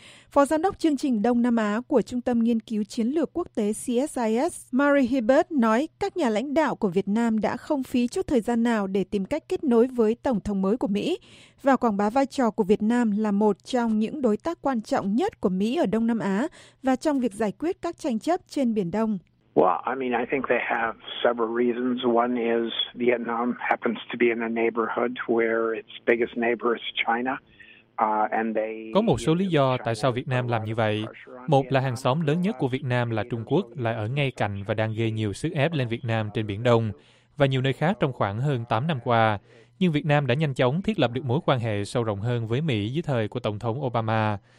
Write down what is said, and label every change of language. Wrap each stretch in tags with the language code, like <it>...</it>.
<vi>Phó Giám đốc Chương trình Đông Nam Á của Trung tâm Nghiên cứu Chiến lược Quốc tế CSIS, Mary Hibbert, nói các nhà lãnh đạo của Việt Nam đã không phí chút thời gian nào để tìm cách kết nối với Tổng thống mới của Mỹ và quảng bá vai trò của Việt Nam là một trong những đối tác quan trọng nhất của Mỹ ở Đông Nam Á và trong việc giải quyết các tranh chấp trên Biển Đông.</vi> <en>Well, I mean, I think they have several reasons. One is Vietnam happens to be in a neighborhood where its biggest neighbor is China.</en> <vi>Có một số lý do tại sao Việt Nam làm như vậy. Một là hàng xóm lớn nhất của Việt Nam là Trung Quốc lại ở ngay cạnh và đang gây nhiều sức ép lên Việt Nam trên Biển Đông và nhiều nơi khác trong khoảng hơn 8 năm qua. Nhưng Việt Nam đã nhanh chóng thiết lập được mối quan hệ sâu rộng hơn với Mỹ dưới thời của Tổng thống Obama.</vi>